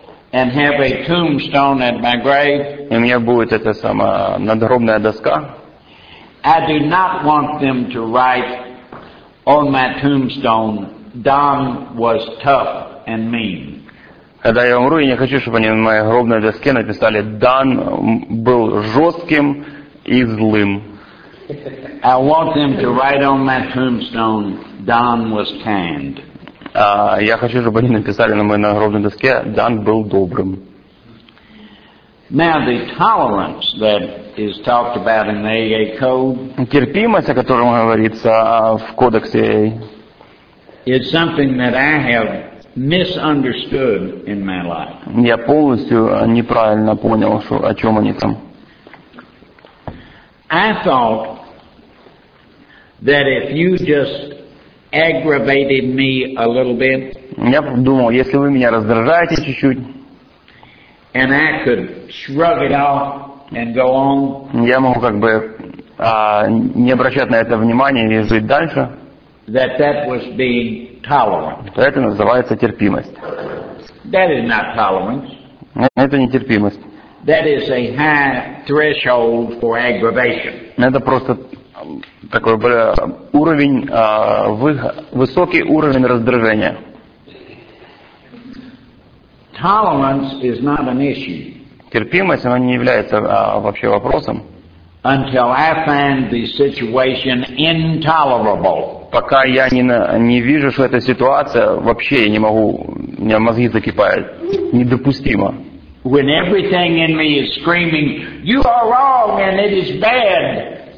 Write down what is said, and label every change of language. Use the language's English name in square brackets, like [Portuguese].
[English] and have a tombstone at my grave, [Russian] и у меня будет эта самая надгробная доска, [English] I do not want them to write on my tombstone, Don was tough and mean. [Russian] Когда я умру, я не хочу, чтобы они на моей гробной доске написали: Дан был жестким и злым. [English] I want them to write on my tombstone, Don was kind. [Russian] Я хочу, чтобы они написали на моей гробной доске: Дан был добрым. [English] Now the tolerance that is talked about in the AA code. [Russian] Терпимость, о котором говорится в кодексе AA. [English] It's something that I have misunderstood in my life. [Russian] Я полностью неправильно понял, что о чем они там. [English] I thought that if you just aggravated me a little bit. [Russian] Я думал, если вы меня раздражаете чуть-чуть, [English] and I could shrug it off and go on. [Russian] Я могу как бы не обращать на это внимания и жить дальше. [English] That was being tolerant. [Russian] Это называется терпимость. [English] That is not tolerance. [Russian] Это не терпимость. [English] That is a high threshold for aggravation. [Russian] Это просто такой уровень, высокий уровень раздражения. [English] Tolerance is not an issue. [Russian] Терпимость, она не является вообще вопросом. [English] Until I find the situation intolerable. [Russian] Пока я не вижу, что эта ситуация, вообще я не могу, у меня мозги закипают, недопустимо. [English] When everything in me is screaming, you are wrong and it is bad.